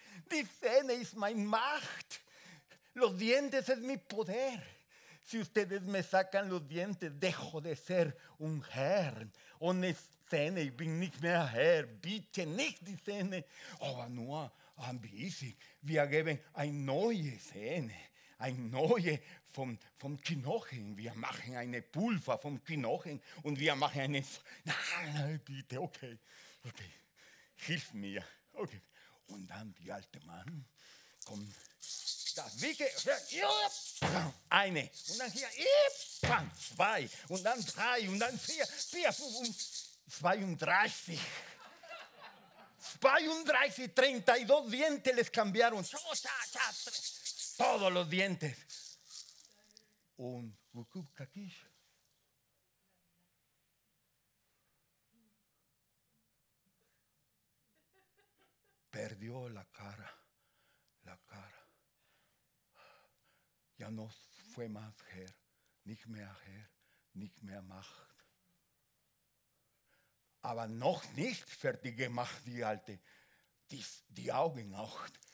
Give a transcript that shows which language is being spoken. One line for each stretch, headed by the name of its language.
German: Die Zähne ist meine Macht.
Spanish: Los dientes es mi poder. Si ustedes me sacan los dientes, dejo de ser un Herrn.
German: Ohne Zähne, ich bin nicht mehr Herr. Bitte nicht die Zähne. Aber nur ein bisschen. Wir geben eine neue Zähne. Eine neue vom Knochen. Wir machen eine Pulver vom Knochen. Und wir machen eine. Nein, bitte, okay. Hilf mir. Okay. Und dann der alte Mann kommt. Eine, und dann hier, zwei, und dann drei, und dann vier, fünf, und 32.
Spanish: 32, 32 dientes les cambiaron. Todos los dientes.
German: Und Wukub Kakish.
Spanish: Perdió la cara.
German: Ja,
Spanish: no fue más
German: Herr, nicht mehr Macht. Aber noch nicht fertig gemacht, die Alte. Die Augen auch.